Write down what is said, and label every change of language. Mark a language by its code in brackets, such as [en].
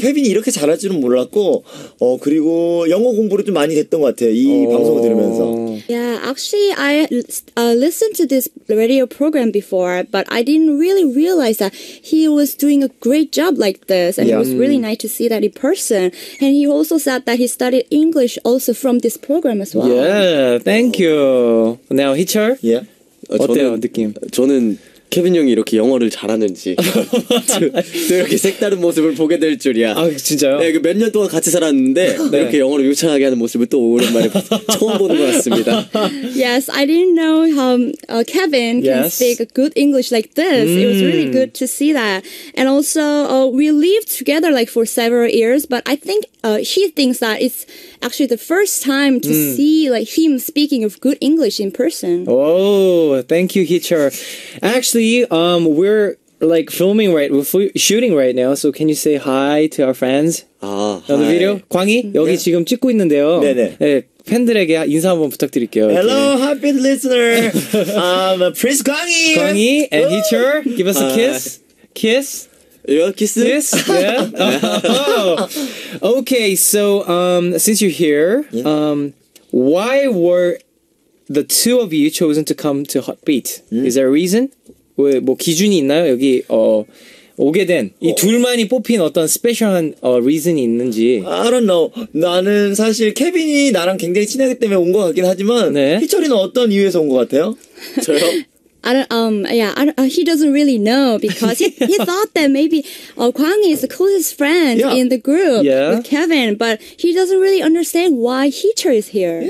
[ko] 케빈이 이렇게 잘할 줄은 몰랐고 그리고 영어 공부를 좀 많이 했던 것 같아요. 이 방송을 들으면서. [en] Yeah, actually I listened to this radio program before but I didn't really realize that he was doing a great job like this and yeah. It was really nice to see that in person and he also said that he studied English also from this program as well. Yeah, thank you. Now, Heecheol? Yeah. [ko] 어때요, 저는, 느낌? 저는 케빈 형이 이렇게 영어를 잘하는지 또 이렇게 색다른 모습을 보게 될 줄이야. 아, 진짜요? 네, 몇 년 동안 같이 살았는데 네. 이렇게 영어를 유창하게 하는 모습을 또 오랜만에 처음 보는 것 같습니다. [en] Yes, I didn't know how Kevin can yes. speak good English like this. Mm. It was really good to see that. And also, we lived together like for several years, but I think he thinks that it's actually the first time to see like him speaking of good English in person. Oh, thank you, Heecheol. Actually, we're like filming right, we're shooting right now. So can you say hi to our fans on the video? [ko] Kwanghee, 여기 yeah. 지금 찍고 있는데요. 네네. 네. 팬들에게 인사 한번 부탁드릴게요. [en] Hello, Hot Beat listener. I'm Prince Kwanghee. Kwanghee and Heecheol, give us a kiss. Kiss. Your kiss. Kiss. Yeah. Oh. Okay. So since you're here, yeah. Why were the two of you chosen to come to Hot Beat? Mm. Is there a reason? [ko] 뭐 기준이 있나요? 여기 오게 된 이 둘만이 뽑힌 어떤 스페셜한 리즌이 있는지. [en] I don't know. [ko] 나는 사실 케빈이 나랑 굉장히 친하기 때문에 온 것 같긴 하지만 네. 희철이는 어떤 이유에서 온 것 같아요? 저요? [en] I don't, he doesn't really know because he thought that maybe Kwanghee is the closest friend yeah. in the group yeah. with Kevin, but he doesn't really understand why Heecheol is here.